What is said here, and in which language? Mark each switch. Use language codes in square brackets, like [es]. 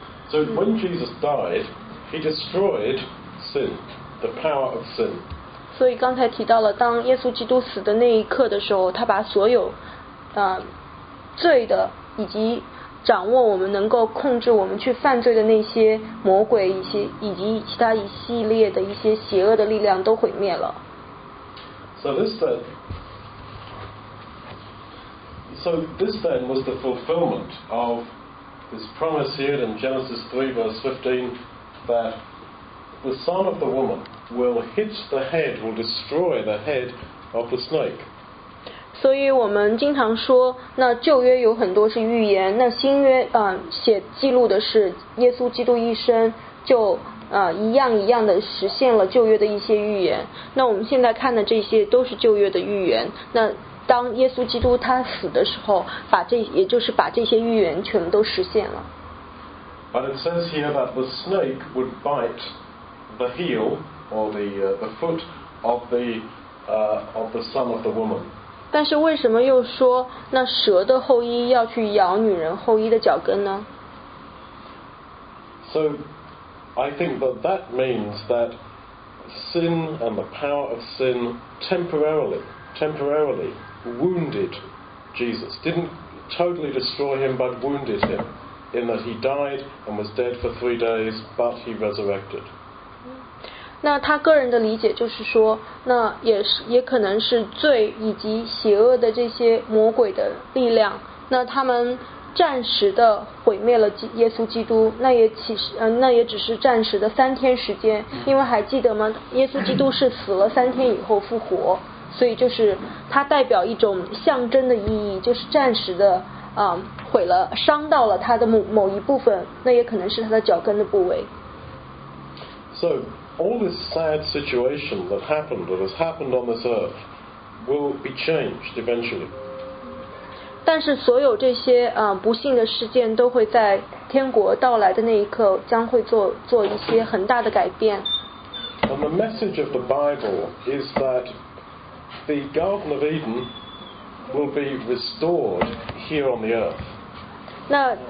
[en] So when Jesus died, he destroyed sin, the power of sin. [zh] 所以刚才提到了，当耶稣基督死的那一刻的时候，他把所有，罪的以及掌握我们能够控制我们去犯罪的那些魔鬼一些以及其他一系列的一些邪恶的力量都毁灭了。 [en] So this then was the fulfillment of this promise here in Genesis 3 verse 15 that the son of the woman will hit the head, will destroy the head of the snake. [zh] 所以我们经常说，那旧约有很多是预言，那新约写记录的是耶稣基督一生就一样一样的实现了旧约的一些预言。那我们现在看的这些都是旧约的预言。那当耶稣基督他死的时候，也就是把这些预言全都实现了。 [en] But it says here that the snake would bite the heel or the foot of the son of the woman. [zh] 但是为什么又说那蛇的后裔要去咬女人后裔的脚跟呢？ [en] So I think that that means that sin and the power of sin temporarily wounded Jesus. Didn't totally destroy him, but wounded him in that he died and was dead for 3 days, but he resurrected. [zh] 那他个人的理解就是说，那也可能是罪以及邪恶的这些魔鬼的力量，那他们暂时的毁灭了耶稣基督，那也只是暂时的3天时间，因为还记得吗？耶稣基督是死了3天以后复活，所以就是它代表一种象征的意义，就是暂时的毁了，伤到了他的某一部分，那也可能是他的脚跟的部位。 [en] So. All this sad situation that happened or has happened on this earth will be changed eventually. [zh] 但是所有这些不幸的事件都会在天国到来的那一刻将会做一些很大的改变。 [en] And the message of the Bible is that the Garden of Eden will be restored here on the earth.